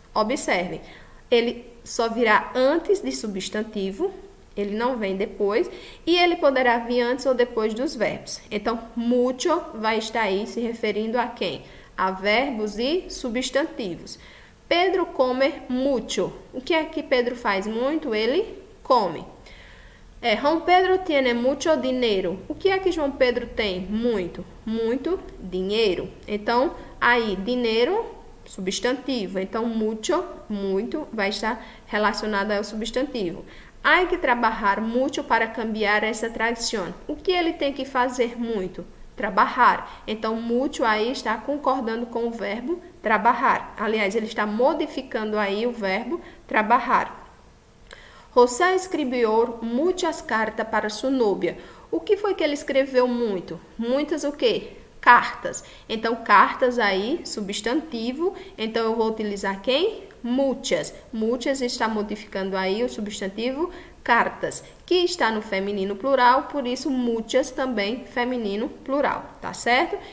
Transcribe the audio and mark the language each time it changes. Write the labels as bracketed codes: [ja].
[pt] Observe, ele só virá antes de substantivo, ele não vem depois, e ele poderá vir antes ou depois dos verbos. Então, mucho vai estar aí se referindo a quem? A verbos e substantivos. [es] Pedro come mucho. [pt] O que é que Pedro faz muito? Ele come. [es] É, João Pedro tiene mucho dinero. [pt] O que é que João Pedro tem? Muito. Muito dinheiro. Então, aí, dinheiro, substantivo. Então, mucho, muito, vai estar relacionado ao substantivo. [es] Hay que trabajar mucho para cambiar esa tradición. [pt] O que ele tem que fazer muito? Trabajar. Então, mucho aí está concordando com o verbo trabajar. Aliás, ele está modificando aí o verbo trabajar. [es] José escribió muchas cartas para su novia. [pt] O que foi que ele escreveu muito? Muitas o quê? Cartas. Então, cartas aí, substantivo. Então, eu vou utilizar quem? Muchas. Muchas está modificando aí o substantivo cartas, que está no feminino plural, por isso muchas também feminino plural, tá certo?